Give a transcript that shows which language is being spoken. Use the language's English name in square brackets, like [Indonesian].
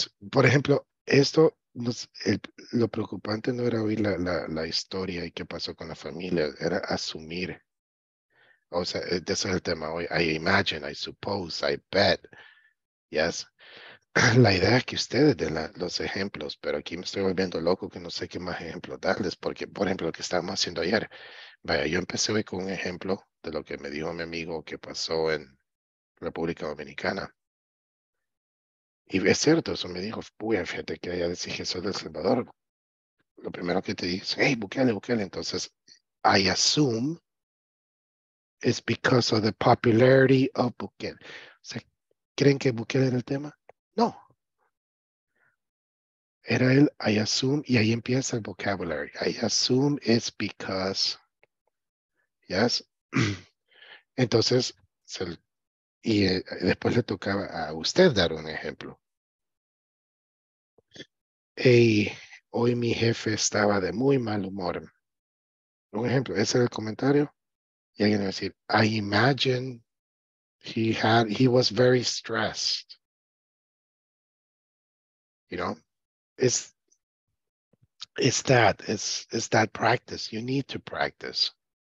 [Spanish] Por ejemplo, esto, lo preocupante no era oír la historia y qué pasó con la familia, era asumir. O sea, ese es el tema hoy. [English] I imagine, I suppose, I bet. Yes. [Spanish] La idea es que ustedes den los ejemplos, pero aquí me estoy volviendo loco que no sé qué más ejemplos darles, porque, por ejemplo, lo que estábamos haciendo ayer, vaya, yo empecé hoy con un ejemplo de lo que me dijo mi amigo que pasó en República Dominicana. Y es cierto, eso me dijo, uy, fíjate que ya decís que soy de El Salvador. Lo primero que te dicen, hey, búquele. [English] Entonces, I assume it's because of the popularity of Bukele. [Spanish] O sea, ¿creen que Bukele era el tema? No. Era el [English] I assume, [Spanish] y ahí empieza el [English] vocabulary. I assume it's because. Yes. [Spanish] Entonces, después le tocaba a usted dar un ejemplo. Hey, hoy mi jefe estaba de muy mal humor. Un ejemplo, ese era el comentario. Y alguien va a decir, [English] I imagine he was very stressed. You know, it's that practice. You need to practice.